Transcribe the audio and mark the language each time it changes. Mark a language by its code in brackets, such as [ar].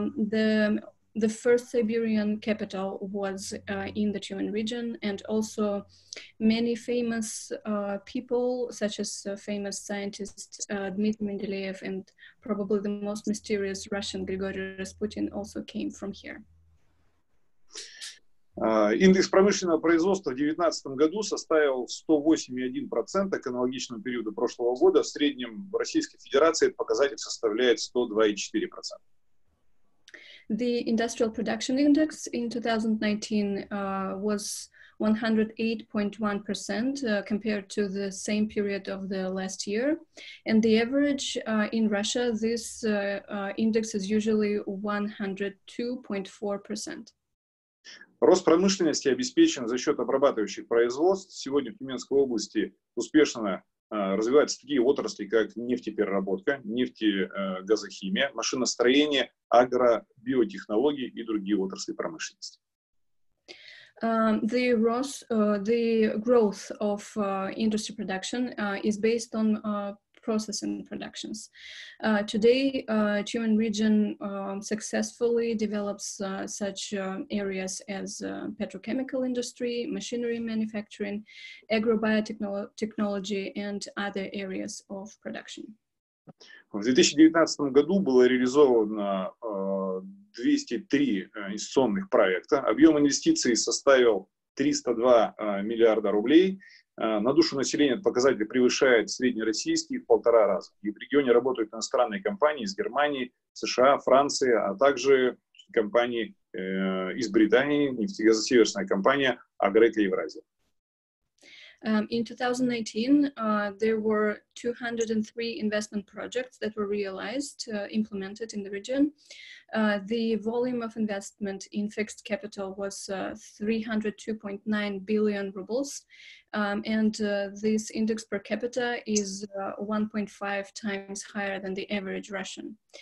[en] The first Siberian capital was in the Tumen region, and also many famous people, such as famous scientist Dmitry Mendeleev and probably the most mysterious Russian Grigory Rasputin also came from here. [ru] Индекс промышленного производства в 2019 году составил 108,1% к аналогичному периоду прошлого года. В среднем в Российской Федерации показатель составляет 102,4%. [en] The industrial production index in 2019 was 108.1% compared to the same period of the last year. And the average in Russia, this index is usually 102.4%. [ru] Рост промышленности обеспечен за счет обрабатывающих производств. Сегодня в Тюменской области успешно развиваются такие отрасли, как нефтепереработка, нефтегазохимия, машиностроение, агробиотехнологии и другие отрасли промышленности. [en] The growth of industry production is based on processing productions. Today, Tumen region successfully develops such areas as petrochemical industry, machinery manufacturing, agrobiotechnology, and other areas of production. [ru] В 2019 году было реализовано 203 инвестиционных проекта. Объем инвестиций составил 302 миллиарда рублей. На душу населения показатель превышает среднероссийский в 1.5 раза. И в регионе работают иностранные компании из Германии, США, Франции, а также компании из Британии, нефтегазосеверная компания «Агрека Евразия». [en] In 2019, there were 203 investment projects that were realized, implemented in the region. The volume of investment in fixed capital was 302.9 billion rubles, and this index per capita is 1.5 times higher than the average Russian.